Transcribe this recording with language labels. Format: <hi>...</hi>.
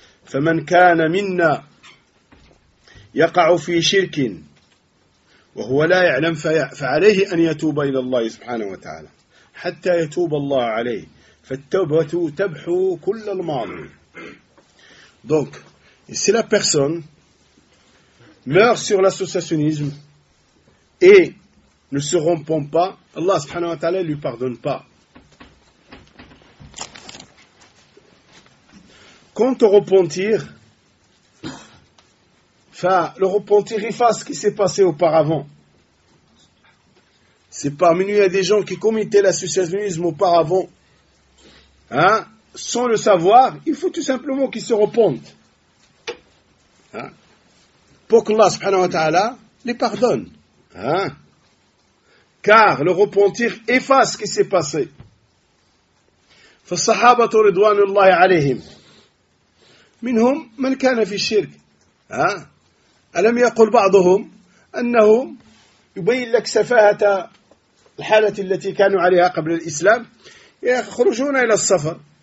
<ar>فمن كان منا يقع في شرك وهو لا يعلم فعليه أن يتوب إلى الله سبحانه وتعالى حتى يتوب الله عليه فالتوبة تبحو كل الماضي.</ar> <fr>Donc, si la personne meurt sur l'associationnisme et ne se rompt pas, Allah subhanahu wa ta'ala ne lui pardonne pas. Quant au repentir, le repentir efface ce qui s'est passé auparavant. C'est parmi nous, il y a des gens qui commettaient l'associationnisme auparavant. Hein? Sans le savoir, il faut tout simplement qu'ils se repentent. Hein? Pour qu'Allah subhanahu wa ta'ala les pardonne. Hein? Car le repentir efface ce qui s'est passé.</fr> <ar>فَالصَّحَابَةُ رِضْوَانُ اللَّهِ عَلَيْهِمْ منهم من كان في الشرك ألم يقل بعضهم أنه يبين لك سفاهة الحالة التي كانوا عليها قبل الإسلام يخرجون إلى السفر</ar>